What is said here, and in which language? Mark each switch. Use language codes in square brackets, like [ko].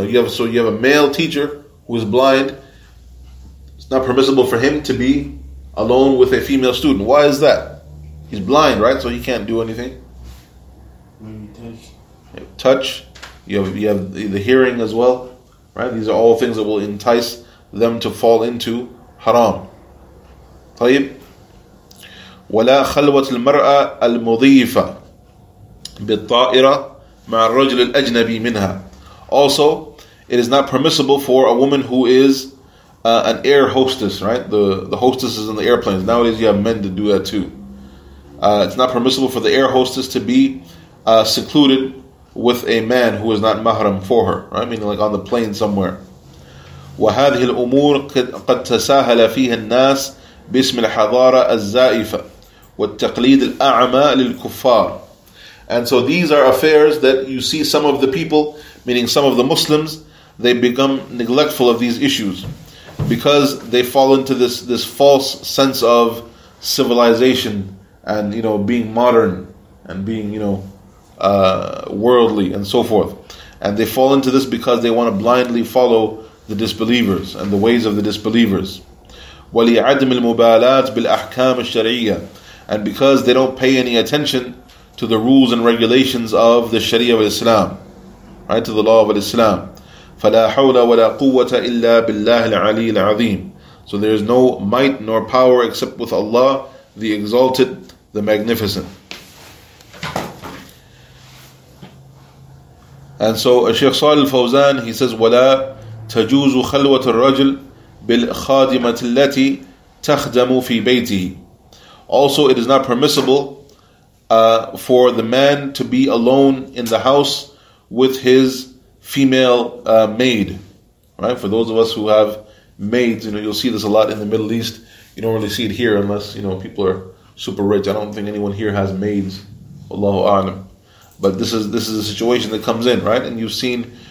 [en] Now you have a male teacher who is blind. It's not permissible for him to be alone with a female student. Why is that? He's blind, right? So he can't do anything. Maybe touch. You have the hearing as well, right? These are all things that will entice them to fall into haram. [ar] طيب. ولا خلوة المرأة المضيفة بالطائرة مع الرجل الأجنبي منها. [en] Also, it is not permissible for a woman who is an air hostess, right? The hostess is in the airplanes. Nowadays you have men to do that too. It's not permissible for the air hostess to be secluded with a man who is not mahram for her, right? Meaning like on the plane somewhere. [ar] وهذه الأمور قد تساهل فيها الناس باسم الحضارة الزائفة والتقليد الأعمى للكفار. [en] And so these are affairs that you see some of the people, meaning some of the Muslims, they become neglectful of these issues because they fall into this false sense of civilization and, you know, being modern and being, you know, worldly and so forth. And they fall into this because they want to blindly follow the disbelievers and the ways of the disbelievers. [ar] وَلِعَدْمِ الْمُبَالَاتِ بِالْأَحْكَامِ الشَّرْعِيَّةِ. [en] And because they don't pay any attention to the rules and regulations of the Sharia of Islam, right, to the law of Islam. [ar] فَلَا حَوْلَ وَلَا قُوَّةَ إِلَّا بِاللَّهِ الْعَلِيِّ الْعَظِيمِ. [en] So there is no might nor power except with Allah, the Exalted, the Magnificent. And so Sheikh Salih al-Fawzan, he says, [ar] وَلَا تجوز خلوة الرجل بالخادمة التي تخدم في بيته. [en] Also, it is not permissible for the man to be alone in the house with his female maid. Right? For those of us who have maids, you know, you'll see this a lot in the Middle East. You don't really see it here unless, you know, people are super rich. I don't think anyone here has maids. Allahu a'lam. But this is a situation that comes in, right? And you've seen